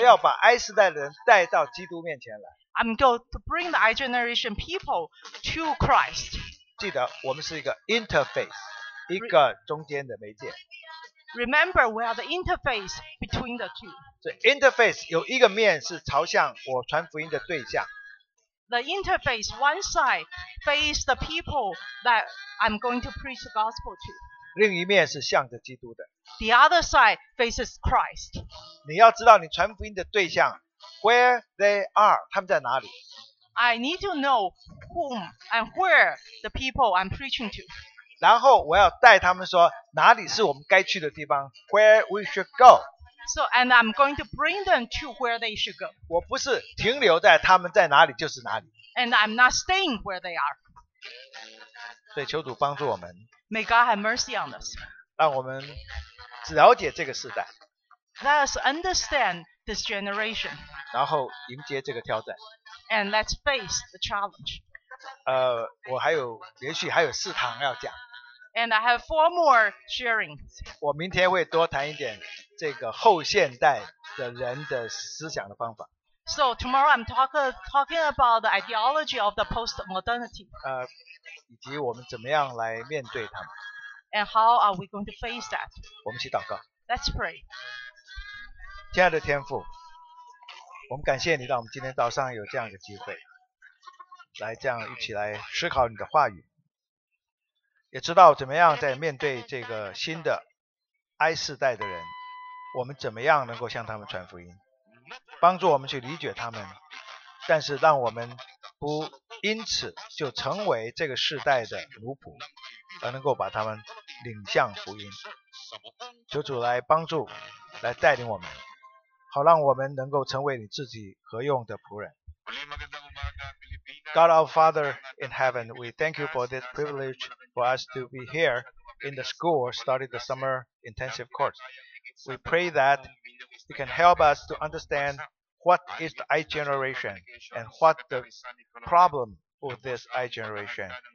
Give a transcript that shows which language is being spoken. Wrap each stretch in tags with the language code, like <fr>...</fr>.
<zh>我要把 I 世代的人带到基督面前来。</zh> <en>I'm going to bring the I generation people to Christ.</en> <zh>记得，我们是一个 interface, 一个中间的媒介。</zh> <en>Remember, we are the interface between the two.</en> <zh>这 interface 有一个面是朝向我传福音的对象。</zh> <en>The interface, one side, face the people that I'm going to preach the gospel to.</en> <zh>另一面是向着基督的。</zh> <en>The other side faces Christ.</en> <zh>你要知道你传福音的对象 ，</zh> <en>where they are，</en> <zh>他们在哪里</zh> <en>？I need to know whom and where the people I'm preaching to.</en> <zh>然后我要带他们说哪里是我们该去的地方 ，</zh> <en>where we should go. So and I'm going to bring them to where they should go.</en> <zh>我不是停留在他们在哪里就是哪里。</zh> <en>And I'm not staying where they are.</en> <zh>所以求主帮助我们。</zh> <en>May God have mercy on us.</en> <zh>让我们了解这个时代。</zh> <en>Let us understand this generation.</en> <zh>然后迎接这个挑战。</zh> <en>And let's face the challenge.</en> <zh>我还有，也许还有四堂要讲。</zh> <en>And I have four more sharings.</en> <zh>我明天会多谈一点这个后现代的人的思想的方法。</zh> <en>So tomorrow I'm talking about the ideology of the post-modernity.</en> <zh>以及我们怎么样来面对他们。</zh> <en>And how are we going to face that?</en> <zh>我们一起祷告。</zh> <en>Let's pray.</en> <zh>亲爱的天父，我们感谢你让我们今天早上有这样一个机会，来这样一起来思考你的话语，也知道怎么样在面对这个新的 I 世代的人，我们怎么样能够向他们传福音，帮助我们去理解他们，但是让我们不因此就成为这个世代的奴仆，而能够把他们领向福音。求主来帮助，来带领我们，好让我们能够成为你自己合用的仆人。</zh> <en>God our Father in heaven, we thank you for this privilege for us to be here in the school starting the summer intensive course. We pray that you can help us to understandWhat is the I generation and what the problem with this I generation?</en>